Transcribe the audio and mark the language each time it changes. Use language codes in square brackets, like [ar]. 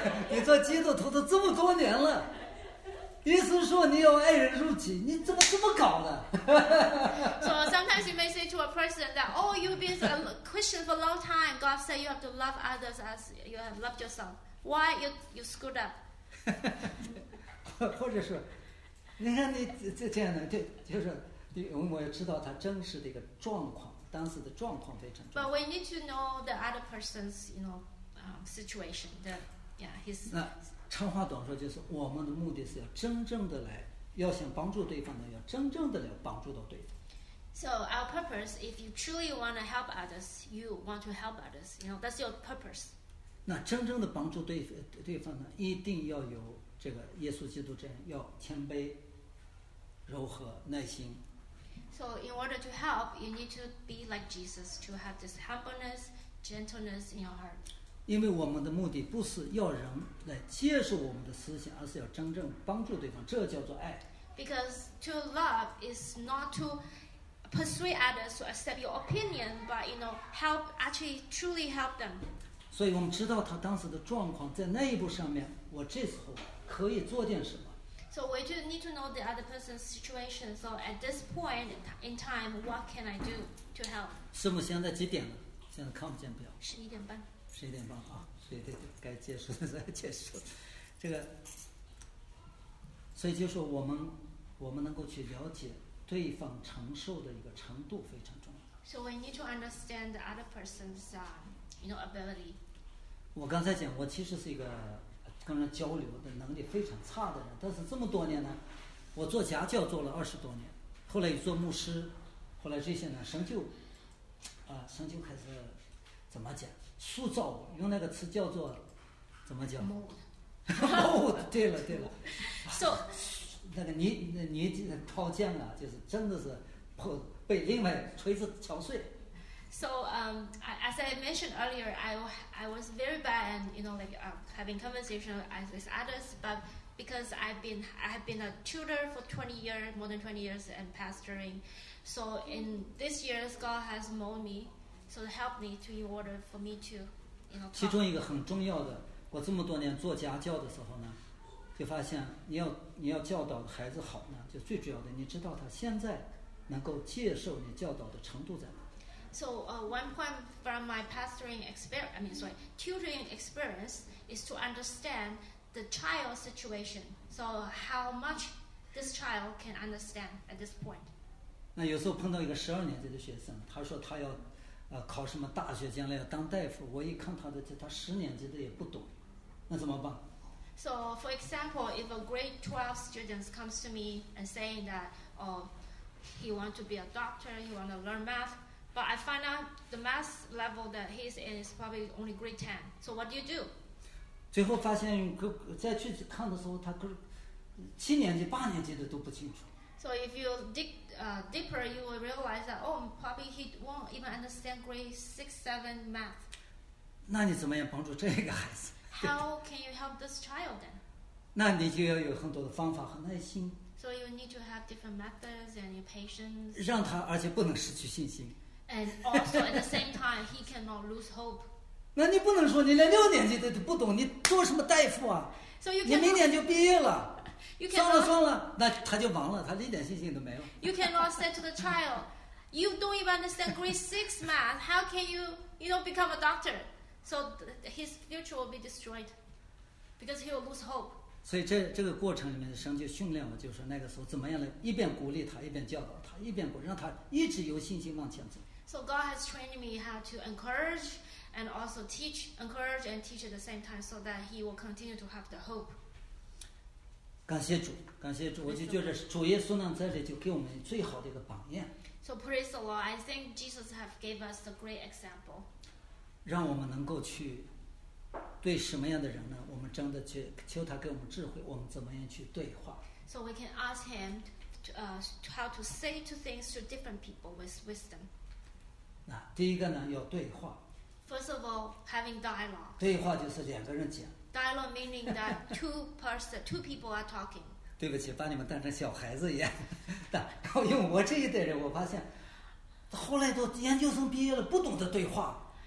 [zh] 你做基督徒都这么多年了。意思说你要爱人如己，你怎么这么搞的 [en] ？So sometimes you may say to a person that, "Oh, you've been a Christian for a long time. God said you have to love others as you have loved yourself. Why you screwed up?" [zh] 或者说，你看你这样的，对，就是我要知道他真实的一个状况，当时的状况非常重要。 [en] But we need to know the other person's, you know, situation. His. [zh] 长话短说，就是我们的目的是要真正的来，要想帮助对方呢，要真正的来帮助到对方。 [en] So our purpose, if you truly want to help others, you want to help others. You know, that's your purpose. [zh] 那真正的帮助对方呢，一定要有这个耶稣基督这样，要谦卑、柔和、耐心。 [en] So in order to help, you need to be like Jesus, to have this humbleness, gentleness in your heart. [zh] 因为我们的目的不是要人来接受我们的思想，而是要真正帮助对方，这叫做爱。 [en] Because to love is not to persuade others to accept your opinion, but you know, help actually truly help them. [zh] 所以我们知道他当时的状况，在那一步上面，我这时候可以做点什么。 [en] So we do need to know the other person's situation. So at this point in time, what can I do to help? [zh] 师母现在几点了？现在看不见表。 11:30。十一点半啊，对对对，该结束的再结束。这个，所以就是我们能够去了解对方承受的一个程度非常重要。 [en] So we need to understand the other person's, you know, ability. [zh] 我刚才讲，我其实是一个跟人交流的能力非常差的人，但是这么多年呢，我做家教做了20多年，后来做牧师，后来这些呢，神就开始怎么讲？塑造我，用那个词叫做怎么讲 [en] mold [zh] 对了对了 [en] so [zh] 那个泥掏浆啊，就是真的是被另外锤子敲碎。 [en] so as I mentioned earlier, I was very bad and you know like having conversation with others, but because I have been a tutor for 20 years, more than 20 years, and pastoring, so in this year God has molded meSo help me to in order for me to, you know. [zh] 其中一个很重要的，我这么多年做家教的时候呢，就发现你要教导孩子好呢，就最主要的，你知道他现在能够接受你教导的程度在哪。 [en] So one point from my pastoring experience, tutoring experience, is to understand the child's situation. So how much this child can understand at this point. [zh] 那有时候碰到一个12年级的学生，他说他要。考什么大学，将来要当大夫，我一看他的，他10年级的也不懂，那怎么办？ [en] So for example, if a grade 12 student comes to me and saying that, oh, he wants to be a doctor, he wants to learn math, but I find out the math level that he's in is probably only grade 10. So what do you do? [zh] 最后发现再去看的时候，他7年级、8年级的都不清楚。 [en] So if you dig deeper, you will realize that, oh, probably he won't even understand grade 6, 7 math. [zh] 那你怎么样帮助这个孩子？ [en] How can you help this child then? [zh] 那你就要有很多的方法和耐心。 [en] So you need to have different methods and your patience. [zh] 让他而且不能失去信心。 [en] And also at the same time, he cannot lose hope. [zh] 那你不能说你连6年级都不懂，你做什么大夫啊？ [en] So you cannot... [zh] 你明年就毕业了。算了，那他就忘了，他一点信心都没有。 [en] You cannot say to the child, you don't even understand grade 6 math. How can you, you know, become a doctor? So his future will be destroyed because he will lose hope. [zh] 所以这个过程里面，神就训练我，就是那个时候怎么样来，一边鼓励他，一边教导他，一边让他一直有信心往前走。 [en] So God has trained me how to encourage and also teach, encourage and teach at the same time, so that he will continue to have the hope. [zh] 感谢主，感谢主！我就觉得主耶稣呢，在这里就给我们最好的一个榜样。 [en] So praise the Lord, I think Jesus have gave us a great example. [zh] 让我们能够去对什么样的人呢？我们真的去求他给我们智慧，我们怎么样去对话 [en] ？So we can ask him, how to say to things to different people with wisdom. [zh] 那第一个呢，要对话。 [en] First of all, having dialogue. [zh] 对话就是两个人讲。 [en] Dialogue meaning that two people are talking. [zh] 对不起，把你们当成小孩子一样。但因为我这一代人，我发现后来都研究生毕业了，不懂得对话。